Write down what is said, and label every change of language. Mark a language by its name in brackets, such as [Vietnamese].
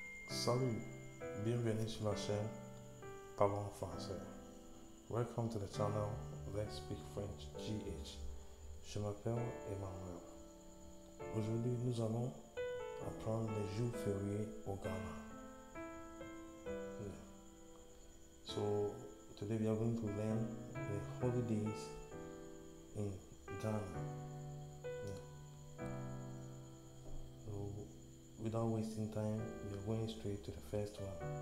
[French] Salut, bienvenue sur la chaîne Parlons Français. [English] Welcome to the channel Let's Speak French GH. [French] Je m'appelle Emmanuel. Aujourd'hui, nous allons apprendre les jours fériés au Ghana. [English] So, today we are going to learn the holidays in Ghana. Without wasting time, we are going straight to the first one.